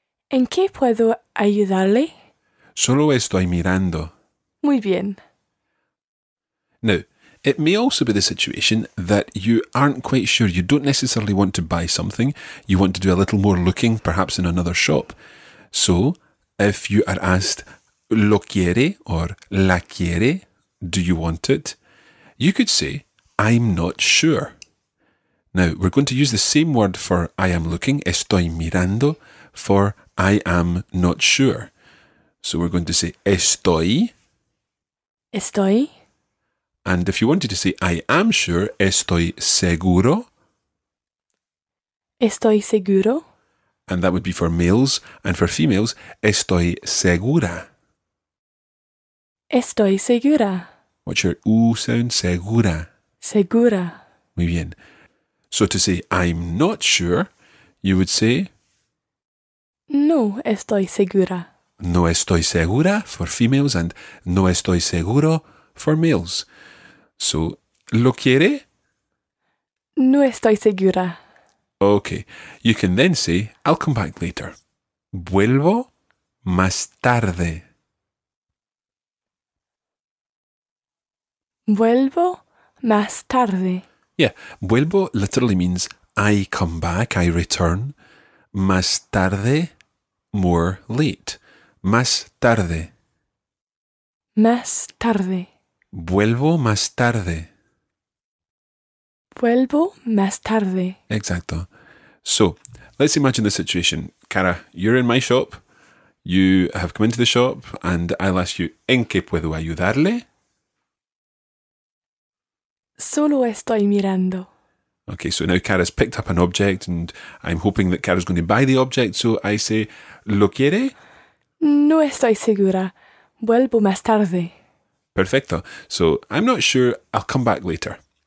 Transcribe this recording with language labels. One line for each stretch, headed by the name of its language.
Spanish: ¿En qué puedo ayudarle? Solo estoy mirando. Muy bien.
English: Now, it may also be the situation that you aren't quite sure. You don't necessarily want to buy something. You want to do a little more looking, perhaps in another shop. So, if you are asked,
Spanish: ¿lo quiere
English: or
Spanish: la quiere?
English: Do you want it? You could say, I'm not sure. Now, we're going to use the same word for I am looking,
Spanish: estoy mirando,
English: for I am not sure. So we're going to say
Spanish: estoy. Estoy.
English: And if you wanted to say I am sure,
Spanish: estoy seguro. Estoy seguro.
English: And that would be for males, and for females,
Spanish: estoy segura. Estoy segura.
English: What's your U sound?
Spanish: Segura. Segura. Muy bien.
English: So to say, I'm not sure, you would say?
Spanish: No estoy segura. No estoy segura
English: for females and
Spanish: no estoy seguro
English: for males.
Spanish: So, ¿lo quiere? No estoy segura.
English: Okay. You can then say, I'll come back later.
Spanish: Vuelvo más tarde. Vuelvo más tarde.
English: Yeah,
Spanish: vuelvo
English: literally means I come back, I return.
Spanish: Más tarde,
English: more late.
Spanish: Más tarde. Más tarde. Vuelvo más tarde. Vuelvo más tarde. Exacto.
English: So, let's imagine the situation. Cara, you're in my shop. You have come into the shop and I'll ask you,
Spanish: ¿en qué puedo ayudarle? Solo estoy mirando.
English: Okay, so now Cara's picked up an object and I'm hoping that Cara's going to buy the object. So I say,
Spanish: ¿lo quiere? No estoy segura. Vuelvo más tarde. Perfecto.
English: So I'm not sure. I'll come back later.